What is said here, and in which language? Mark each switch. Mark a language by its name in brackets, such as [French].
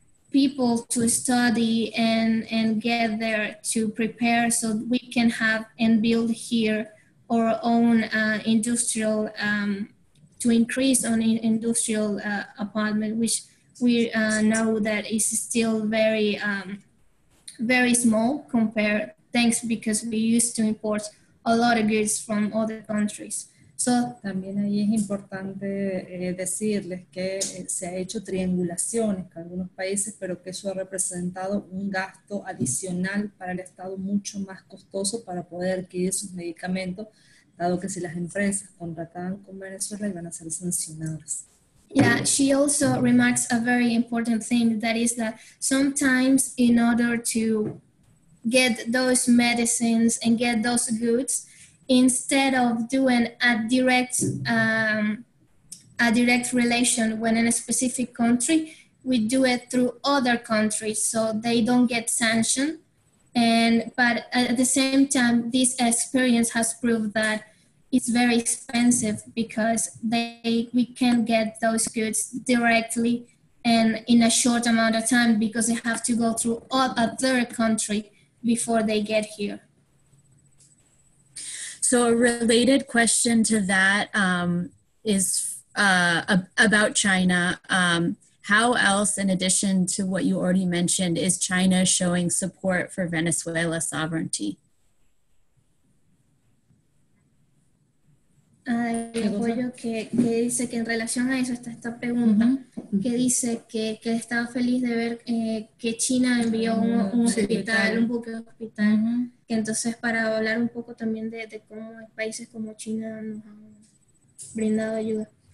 [English] people to study and get there to prepare so we can have and build here our own industrial, to increase on industrial apartment, which we know that is still very, very small compared, thanks because we used to import a lot of goods from other countries. So, [Spanish] también ahí es importante decirles que se ha hecho triangulaciones con algunos países, pero que eso ha representado un gasto adicional para el Estado mucho más costoso para poder adquirir sus medicamentos, dado que si las empresas contrataban con Venezuela iban a ser sancionadas. [English] Yeah, she also remarks a very important thing, that is that sometimes in order to get those medicines and get those goods, instead of doing a direct relation when in a specific country, we do it through other countries so they don't get sanctioned. But at the same time, this experience has proved that it's very expensive because we can get those goods directly and in a short amount of time because they have to go through a third country before they get here. So a related question to that is about China. How else, in addition to what you already mentioned, is China showing support for Venezuela sovereignty? [Spanish] El apoyo que dice que en relación a eso está esta pregunta, que dice que estaba feliz de ver que China envió un hospital, un buque hospital, que entonces para hablar un poco también de cómo países como China nos han brindado ayuda.